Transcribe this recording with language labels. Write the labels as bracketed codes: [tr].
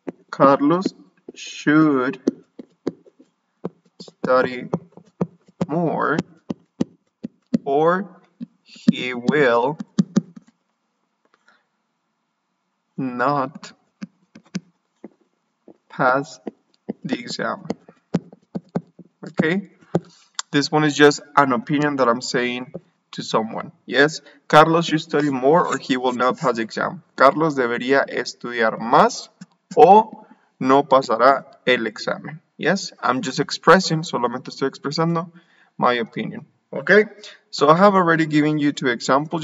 [en] Carlos should study more or he will not pass the exam. Okay, this one is just an opinion that I'm saying to someone. Yes, Carlos should study more or he will not pass the exam. [es] Carlos debería estudiar más o no pasará el examen. [en] Yes, I'm just expressing, [es] solamente estoy expresando [en] my opinion. Okay, so I have already given you two examples.